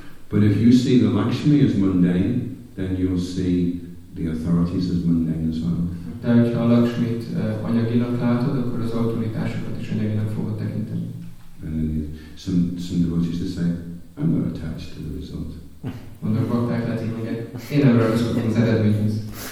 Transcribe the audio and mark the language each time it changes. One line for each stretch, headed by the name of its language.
English: But if you see the Lakshmi as mundane, then you'll see the authorities as mundane as well.
Hungarian: De hogyha a Lakshmit anyaginak látod, akkor az autoritásokat is anyaginak fogod tekinteni.
English: And then some devotees to say, I'm not attached to the result.
Hungarian: Mondok bakták, lehet így mondják, én nem ragaszkodom az eredményhez.